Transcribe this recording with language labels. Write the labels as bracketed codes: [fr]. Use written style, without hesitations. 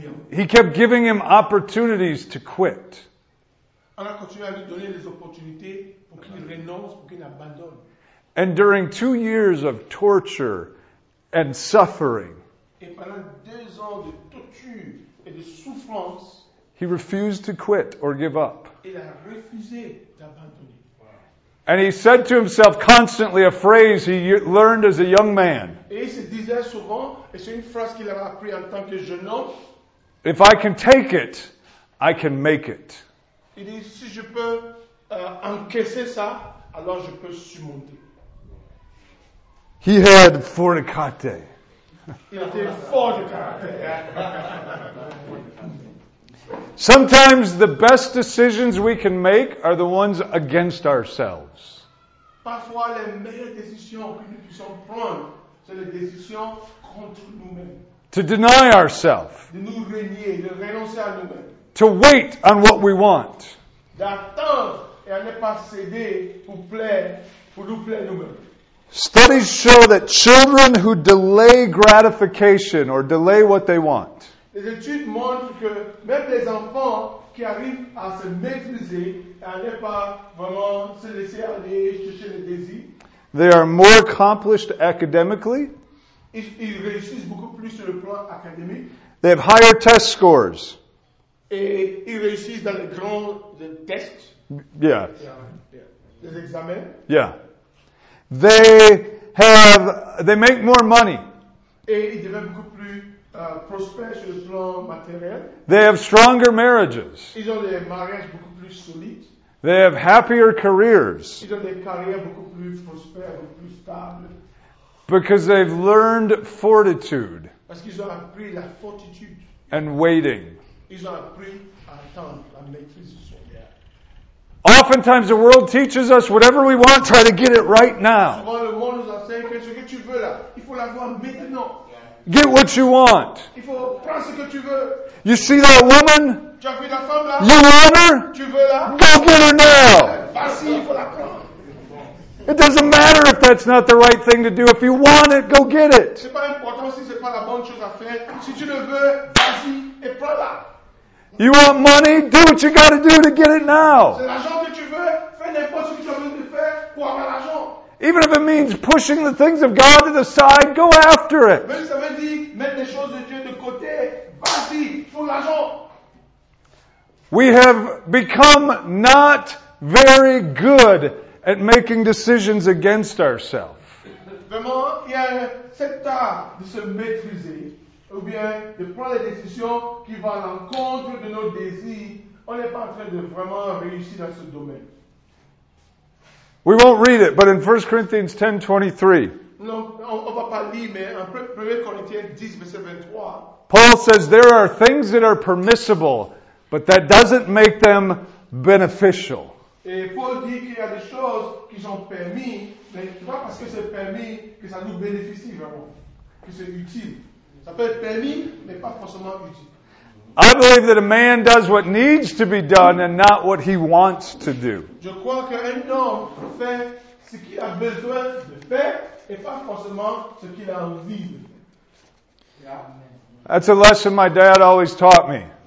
[en] He kept giving him opportunities to quit. [fr] On a continué à lui donner des opportunités pour qu'il renonce, pour qu'il abandonne. [en] And during 2 years of torture and suffering, [fr] et pendant 2 ans de torture et de souffrance, [en] he refused to quit or give up. [fr] Il a refusé d'abandonner. [en] Wow. And he said to himself constantly a phrase he learned as a young man. [fr] Et il se disait souvent, et c'est une phrase qu'il avait appris en tant que jeune homme, [en] if I can take it, I can make it. [fr] Il dit, si je peux encaisser ça, alors je peux surmonter. [en] He had fortacate. [fr] Il était fort de caractère. [en] Sometimes the best decisions we can make are the ones against ourselves. [fr] Parfois, les meilleures décisions que nous puissions prendre, c'est les décisions contre nous-mêmes. [en] To deny ourselves. [fr] De nous renier, de renoncer à nous-mêmes. [en] To wait on what we want. [fr] D'attendre et à ne pas céder pour plaire, pour nous plaire nous-mêmes. [en] Studies show that children who delay gratification or delay what they want. [fr] Les études montrent que même les enfants qui arrivent à se maîtriser et à ne pas vraiment se laisser aller chercher le désir. [en] They are more accomplished academically. [fr] Ils réussissent beaucoup plus sur le plan académique. [en] They have higher test scores. [fr] Et ils réussissent dans les grands tests. [en] Yeah. [fr] Les examens. [en] Yeah. They make more money. [fr] Et ils deviennent beaucoup plus prospères sur le plan matériel. [en] They have stronger marriages. [fr] Ils ont des mariages beaucoup plus solides. [en] They have happier careers. [fr] Ils ont des carrières beaucoup plus prospères, beaucoup plus stables. [en] Because they've learned fortitude. [fr] Parce qu'ils ont appris la fortitude. [en] And waiting. [fr] Ils ont appris à attendre, à maîtriser son. [en] Oftentimes the world teaches us whatever we want, try to get it right now. [fr] Souvent le monde nous enseigne que ce que tu veux là, il faut l'avoir maintenant. [en] Get what you want. [fr] Il faut prendre ce que tu veux. [en] You see that woman? [fr] Tu as vu la femme là? [en] You want her? [fr] Tu veux là? [en] Go get her now. [fr] Vas-y, il faut la prendre. [en] It doesn't matter if that's not the right thing to do. If you want it, go get it. [fr] C'est pas important si c'est pas la bonne chose à faire. Si tu le veux, vas-y et prends-la. [en] You want money? Do what you got to do to get it now. [fr] C'est l'argent que tu veux. Fais n'importe ce que tu as besoin de faire pour avoir l'argent. [en] Even if it means pushing the things of God to the side, go after it. [fr] Même ça veut dire mettre les choses de Dieu de côté. Vas-y, fais l'argent. [en] We have become not very good at making decisions against ourselves. [fr] Vraiment, il y a cet art de se maîtriser, ou bien de prendre des décisions qui vont à l'encontre de nos désirs. On n'est pas en train de vraiment réussir dans ce domaine. [en] We won't read it, but in 1 Corinthians 10:23. [fr] Non, on va pas lire, mais en 1 Corinthiens 10, verset 23. [en] Paul says there are things that are permissible, but that doesn't make them beneficial. [fr] Et Paul dit qu'il y a des choses qui sont permis, mais pas parce que c'est permis que ça nous bénéficie vraiment, que c'est utile. Ça peut être permis, mais pas forcément utile. [en] I believe that a man does what needs to be done and not what he wants to do. [fr] Je crois qu'un homme fait ce qu'il a besoin de faire et pas forcément ce qu'il a envie de faire. [en] That's a lesson my dad always taught me.